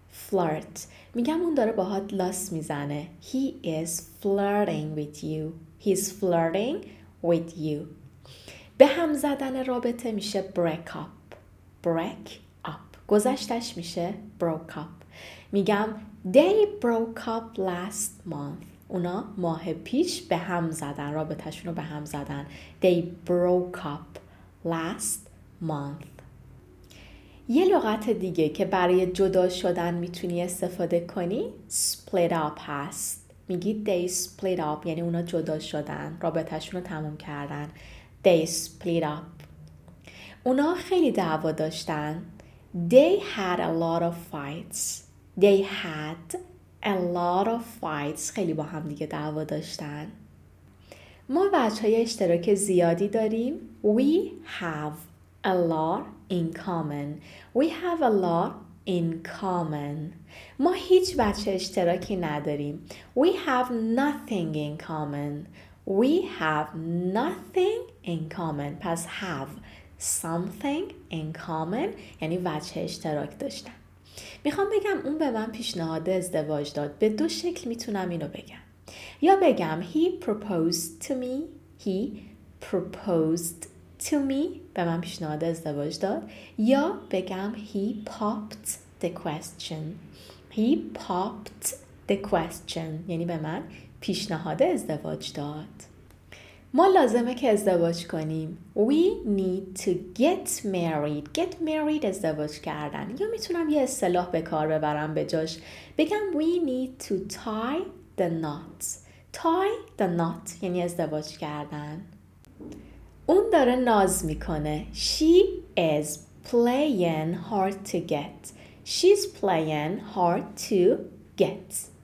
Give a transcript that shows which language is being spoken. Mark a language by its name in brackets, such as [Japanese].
[Persian] Flirt. میگم اون داره باهات لاس میزنه. [English] He is flirting with you. He's flirting with you. [Persian] به هم زدن رابطه میشه [English] break up. Break up. [Persian] گذشتش میشه [English] broke up. [Persian] میگم [English] they broke up last month. [Persian] اونا ماه پیش به هم زدن. رابطهشون رو به هم زدن. [English] They broke up last month. [Persian] یه لغت دیگه که برای جدا شدن میتونی استفاده کنی [English] split up [Persian] هست. میگی [English] they split up [Persian] یعنی اونا جدا شدن. رابطهشون رو تموم کردن. [English] They split up. [Persian] اونا خیلی دعوا داشتن. [English] They had a lot of fights. They had a lot of fights. [Persian] خیلی با هم دیگه دعوا داشتن. ما بچه های اشتراک زیادی داریم. [English] We have a lot in common. We have a lot in common. [Persian] ما هیچ بچه اشتراکی نداریم. [English] We have nothing in common. We have nothing in common. [Persian] پس [English] have something in common [Persian] یعنی بچه اشتراک داشتن. میخوام بگم اون به من پیشنهاد ازدواج داد. به دو شکل میتونم اینو بگم. یا بگم [English] He proposed to me. He proposed to me. [Persian] به من پیشنهاد ازدواج داد. یا بگم [English] He popped the question. He popped the question. [Persian] یعنی به من پیشنهاد ازدواج داد. ما لازمه که ازدواج کنیم. [English] We need to get married. Get married [Persian] ازدواج کردن. یا میتونم یه اصطلاح به کار ببرم به جاش. بگم [English] We need to tie the knot. [Persian] Tie the knot یعنی ازدواج کردن. اون داره ناز میکنه. [English] She is playing hard to get. She's playing hard to get.